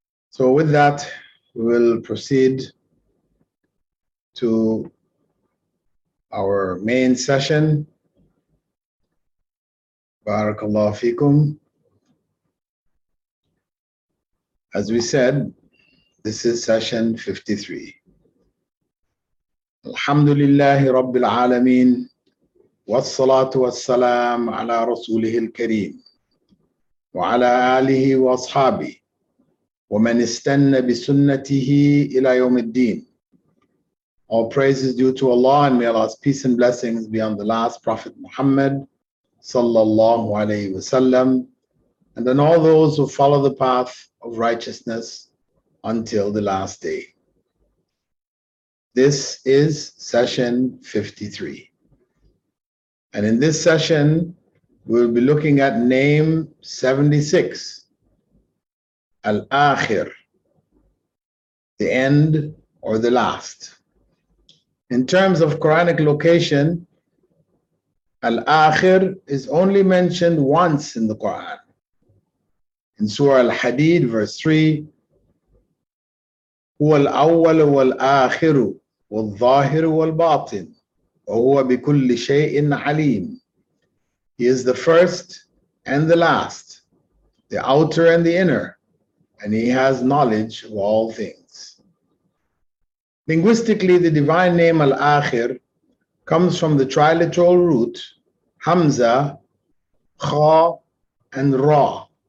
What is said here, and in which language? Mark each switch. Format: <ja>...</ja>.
<en>So with that, we will proceed to our main session. Barakallahu feekum. As we said, this is session 53.</en> <ar>الحمد لله رب العالمين والصلاة والسلام على رسوله الكريم وعلى آله وأصحابه ومن استنى بسنته إلى يوم الدين.</ar> <en>All praise is due to Allah, and may Allah's peace and blessings be on the last Prophet Muhammad</en> <ar>صلى الله عليه وسلم</ar> <en>and on all those who follow the path of righteousness until the last day. This is session 53. And in this session, we'll be looking at name 76, Al-Akhir, the end or the last. In terms of Quranic location, Al-Akhir is only mentioned once in the Quran. In Surah Al-Hadid, verse 3,</en> <ar>هُوَ الْأَوَّلُ وَالْآخِرُ والظاهر والباطن وهو بكل شيء عليم.</ar> <en>He is the first and the last, the outer and the inner, and he has knowledge of all things. Linguistically, the divine name Al-Akhir comes from the trilateral root Hamza, Kha, and Ra.</en>